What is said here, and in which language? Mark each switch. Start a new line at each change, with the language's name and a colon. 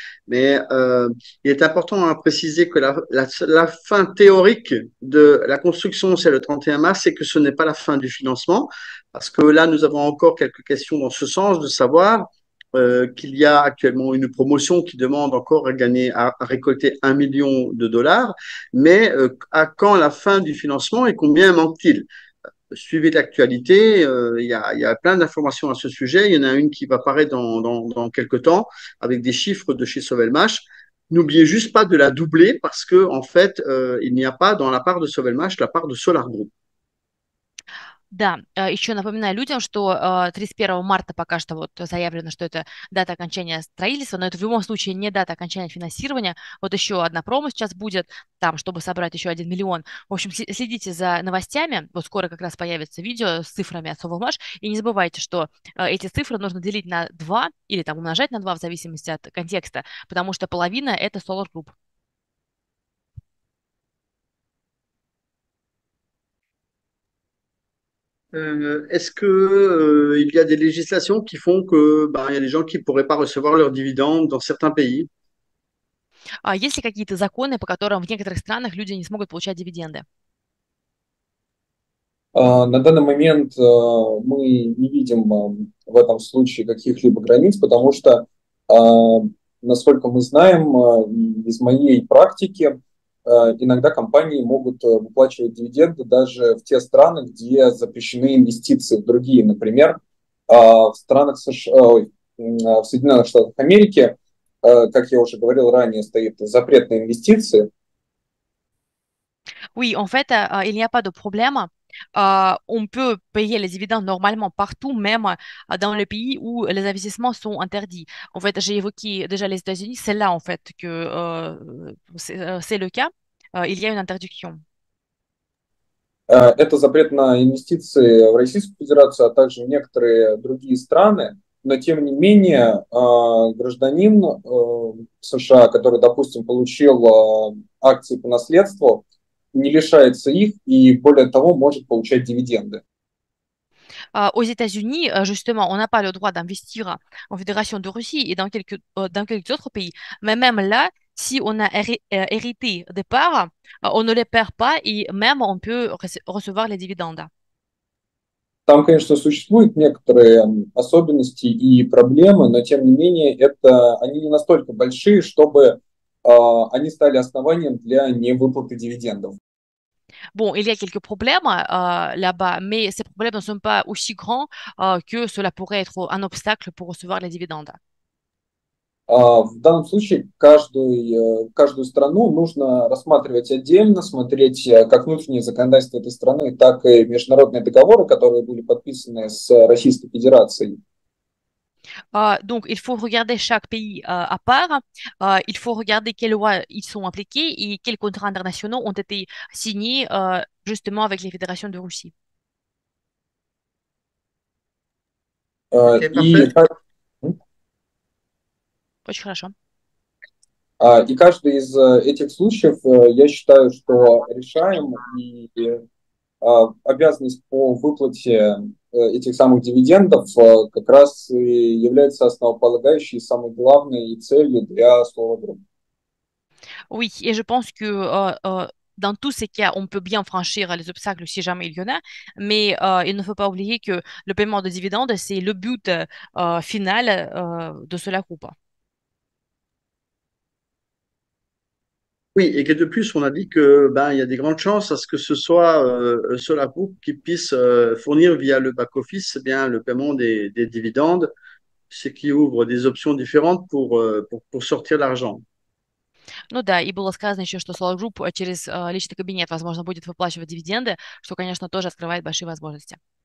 French: Mais il est important à préciser que la fin théorique de la construction, c'est le 31 mars, c'est que ce n'est pas la fin du financement, parce que là, nous avons encore quelques questions dans ce sens, de savoir qu'il y a actuellement une promotion qui demande encore à gagner, à récolter 1 million de dollars, mais à quand la fin du financement et combien manque-t-il? Suivez l'actualité, il y a plein d'informations à ce sujet, il y en a une qui va paraître dans quelques temps avec des chiffres de chez Sauvelmash. N'oubliez juste pas de la doubler parce que en fait, il n'y a pas dans la part de Sauvelmash la part de Solar Group.
Russian: Да, еще напоминаю людям, что 31 марта пока что вот заявлено, что это дата окончания строительства, но это в любом случае не дата окончания финансирования. Вот еще одна промо сейчас будет там, чтобы собрать еще 1 миллион. В общем, следите за новостями. Вот скоро как раз появится видео с цифрами от Совелмаш. И не забывайте, что эти цифры нужно делить на 2 или там умножать на 2 в зависимости от контекста, потому что половина это Solar Group.
French: Est-ce que, il y a des législations qui font que, ben, y a des gens qui ne pourraient pas recevoir leurs dividendes dans certains pays?
Russian: А есть ли какие-то законы, по которым в некоторых странах люди не смогут получать дивиденды? На данный момент мы не видим в этом случае каких-либо границ, потому что, насколько мы знаем, из моей практики, иногда компании могут выплачивать дивиденды даже в те страны, где запрещены инвестиции в другие. Например, в странах в Соединенных Штатах Америки, как я уже говорил ранее, стоит запрет на инвестиции.
French: Oui, en fait, il n'y a pas de problème. On peut payer les dividendes normalement partout, même dans le pays où les investissements sont interdits. En fait, j'ai évoqué déjà les États-Unis, c'est là en fait que c'est le cas. Il y a une interdiction.
Russian: Это запрет на инвестиции в Российскую Федерацию, а также в некоторые другие страны. Но, тем не менее, гражданин США, который, допустим, получил акции по наследству, не лишается их и, более того, может получать дивиденды.
French: Aux États-Unis, justement, on n'a pas le droit d'investir en Fédération de Russie et dans quelques autres pays. Mais même là, si on a hérité des parts, on ne les perd pas et même on peut recevoir les dividendes.
Russian: Там, конечно, существуют некоторые особенности и проблемы, но тем не менее они не настолько большие, чтобы они стали основанием для невыплаты дивидендов.
French: Bon, il y a quelques problèmes là-bas, mais ces problèmes ne sont пas aussi grands que cela pourrait être un obstacle pour recevoir les dividendes.
Russian: В данном случае каждую страну нужно рассматривать отдельно, смотреть как внутреннее законодательство этой страны, так и международные договоры, которые были подписаны с Российской Федерацией.
French: Donc, il faut regarder chaque pays à part. Il faut regarder quelles lois y sont appliquées et quels contrats internationaux ont été signés justement avec les fédérations de Russie. Euh, Ok, parfait.
Russian: и так... Очень хорошо. И каждый из этих случаев, я считаю, что решаем, и обязанность по выплате этих самых дивидендов как раз и является основополагающей, самой главной целью для Solar Group.
French: Oui, et je pense que dans tous ces cas, on peut bien franchir les obstacles si jamais il y en a, mais il ne faut pas oublier que le paiement de dividendes, c'est le but final de cela ou pas. Oui, et que de plus, on a dit que ben il y a des grandes chances à ce que ce soit Solar Group qui puisse fournir via le back office eh bien le paiement des dividendes, ce qui ouvre des options différentes pour sortir l'argent.
Russian: Ну да, и было сказано еще, что Solar Group через личный кабинет, возможно, будет выплачивать дивиденды, что, конечно, тоже открывает большие возможности.